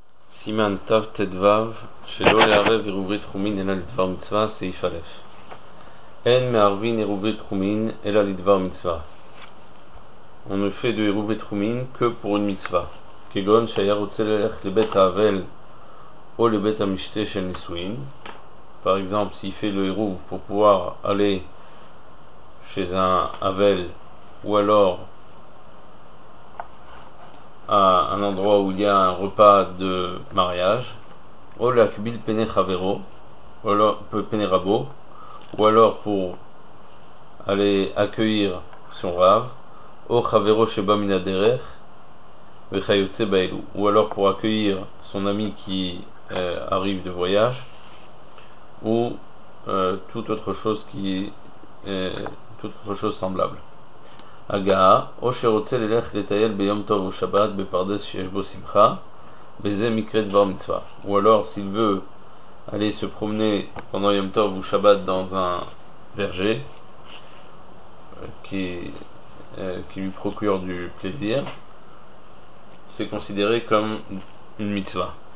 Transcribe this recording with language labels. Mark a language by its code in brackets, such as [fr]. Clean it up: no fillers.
[he] סימן תו-תדו, שלא לערב עירובי תחומין אלא לדבר מצווה, סעיף א'. אין מערבין עירובי תחומין אלא לדבר מצווה. [fr] On ne fait de עירובי תחומין que pour une מצווה. [he] כגון שהיה רוצה ללכת לבית האבל או לבית המשתה של נישואין. [fr] Par exemple, s'il fait le עירוב pour pouvoir aller chez un אבל ou alors à un endroit où il y a un repas de mariage, ou la [he] kbil pene chavero, [fr] ou alors [he] pene rabo, [fr] ou alors pour aller accueillir son rav, ou [he] chavero sheba mina derech, vechayotze baelu, [fr] ou alors pour accueillir son ami qui arrive de voyage, ou toute autre chose qui toute autre chose semblable. [he] הגעה, או שרוצה ללך לטייל ביום טוב או שבת בפרדס שיש בו שמחה, וזה מקרה דבר מצווה. [fr] Ou alors, s'il veut aller se promener pendant יום טוב ou שבת dans un verger qui lui procure du plaisir, c'est considéré comme une מצווה.